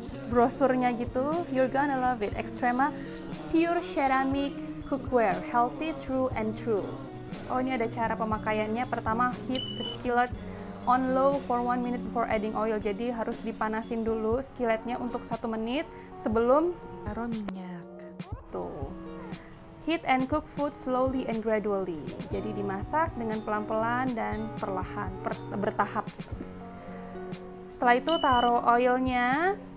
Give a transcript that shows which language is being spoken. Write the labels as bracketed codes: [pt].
[id] Brosurnya gitu, [en] you're gonna love it. Extrema Pure Ceramic Cookware, healthy, true, and true. [id] Oh, ini ada cara pemakaiannya. Pertama, [en] heat the skillet on low for 1 minute before adding oil. [id] Jadi harus dipanasin dulu skilletnya untuk 1 menit sebelum taruh minyak. Tuh. [en] Heat and cook food slowly and gradually. [id] Jadi dimasak dengan pelan-pelan dan perlahan, bertahap gitu. Setelah itu taruh oilnya.